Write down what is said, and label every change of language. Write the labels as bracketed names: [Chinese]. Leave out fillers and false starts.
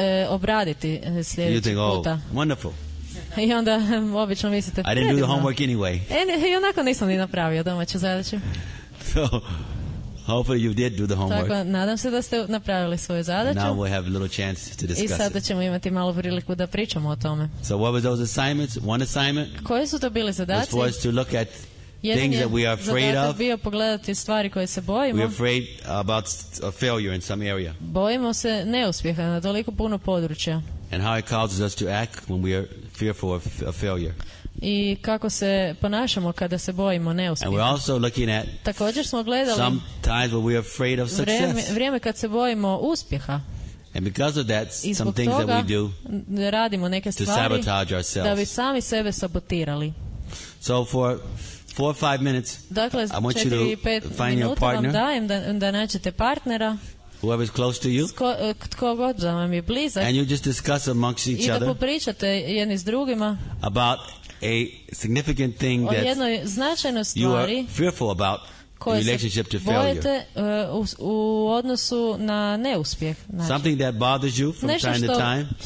[Croatian] Obraditi sljedeći puta. [English] Wonderful. [Croatian] I onda obično mislite [English] I didn't do the homework anyway. [Croatian] I onako nisam ni napravio domaću zadaću. [English] So hopefully you did do the homework. [Croatian] Tako, nadam se da ste napravili svoju zadaću. [English] Now we have a little chance to discuss. [Croatian] I sada ćemo imati malu priliku da pričamo o tome. [English] So what were those assignments? One assignment. [Croatian] Koje su to bile zadaće? [English] Was for us to look at things that we are afraid of. [Croatian] Bio pogledati stvari koje se bojimo. [English] We are afraid about a failure in some area. [Croatian] Bojimo se neuspjeha na toliko puno područja. [English] And how it causes us to act when we are fearful of a failure. [Croatian] I kako se ponašamo kada se bojimo neuspjeha. [English] And we're also looking at [Croatian] također smo gledali [English] some times when we are afraid of success. [Croatian] Vrijeme kad se bojimo uspjeha. [English] And because of that, some things that we do [Croatian] radimo neke stvari [English] to sabotage ourselves. [Croatian] Da bi sami sebe sabotirali. [English] So for 4 or 5 minutes, [Croatian] dakle, [English] I want you to find your partner. [Croatian] Vam dajem da nađete partnera. [English] Whoever is close to you. [Croatian] Tko god za vam je blizak. [English] And you just discuss amongst each other. [Croatian] I da popričate jedni s drugima. [English] About a significant thing that you are fearful about in relationship to failure. [Croatian] Bojite u odnosu na neuspjeh. Znači, [English] something that bothers you from time to time.